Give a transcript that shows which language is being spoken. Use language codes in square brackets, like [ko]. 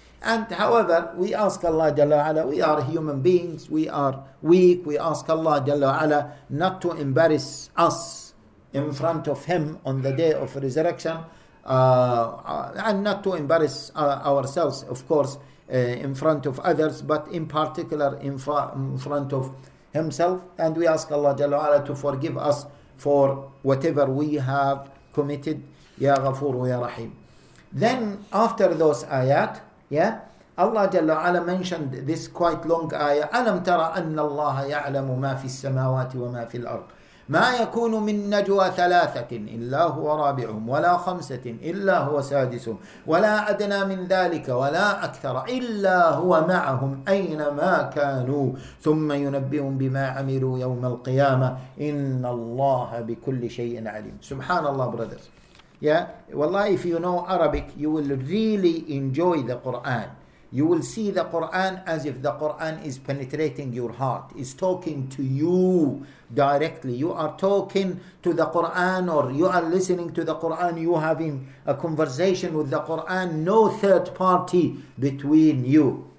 [en] And however, we ask Allah Jalla Ala, we are human beings, we are weak, we ask Allah Jalla Ala not to embarrass us in front of Him on the day of resurrection, and not to embarrass ourselves, of course, in front of others, but in particular in front of Himself. And we ask Allah Jalla wa'ala to forgive us for whatever we have committed. Ya Ghafur wa Ya Rahim. Then after those ayat, Allah Jalla wa'ala mentioned this quite long ayah. [ar] أَلَمْ تَرَ أَنَّ اللَّهَ يَعْلَمُ مَا فِي السَّمَاوَاتِ وَمَا فِي الْأَرْضِ ما يكون من نجوى ثلاثة إلا هو رابعهم ولا خمسة إلا هو سادسهم ولا أدنى من ذلك ولا أكثر إلا هو معهم أينما كانوا ثم ينبئهم بما عملوا يوم القيامة إن الله بكل شيء عليم. سبحان الله brothers. [en] Yeah, والله if you know Arabic you will really enjoy the Quran. You will see the Qur'an as if the Qur'an is penetrating your heart, is talking to you directly. You are talking to the Qur'an, or you are listening to the Qur'an, you having a conversation with the Qur'an, no third party between you.